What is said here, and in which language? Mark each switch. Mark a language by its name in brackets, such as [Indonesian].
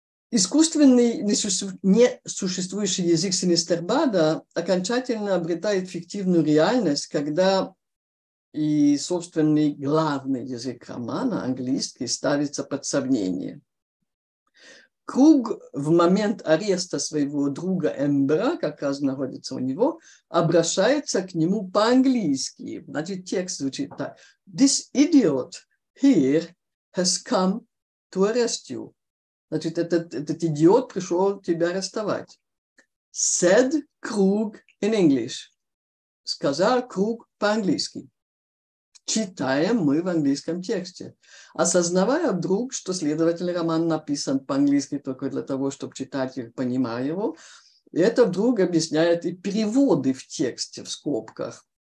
[Russian] Искусственный несуществующий язык Синистербада окончательно обретает фиктивную реальность, когда и собственный главный язык романа, английский, ставится под сомнение. Круг в момент ареста своего друга Эмбера, как раз находится у него, обращается к нему по-английски. Значит, текст звучит так. [English] This idiot here has come to arrest you. [Russian] Значит, этот идиот пришел тебя арестовать. [English] Said Круг in English. [Russian] Сказал Круг по-английски. Читаем мы в английском тексте, осознавая вдруг, что следовательно роман написан по-английски только для того, чтобы читатель понимал его, это вдруг объясняет и переводы в тексте в скобках.